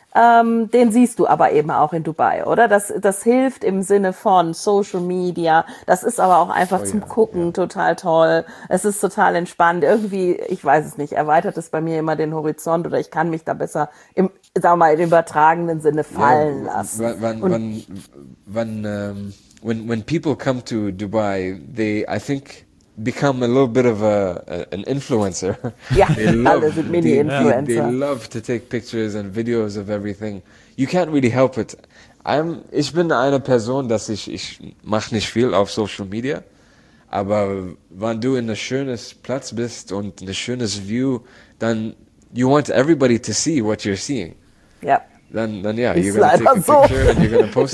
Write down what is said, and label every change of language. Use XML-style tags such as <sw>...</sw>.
<de>Den siehst du aber eben auch in Dubai, oder? Das hilft im Sinne von Social Media. Das ist aber auch einfach zum Gucken total toll. Es ist total entspannend. Irgendwie, ich weiß es nicht, erweitert es bei mir immer den Horizont oder ich kann mich da besser im übertragenen Sinne fallen lassen.</de> <en>When people come to Dubai, I think become a little bit of an influencer. They love to take pictures and videos of everything. You can't really help it.</en> <de>Ich bin eine Person, dass ich mach nicht viel auf Social Media, aber wenn du in ein schönes Platz bist und ein schönes View, dann</de> <en>you want everybody to see what you're seeing.</en> <de>Ja.</de> <en>Dann you're gonna take a picture and you're gonna post</en>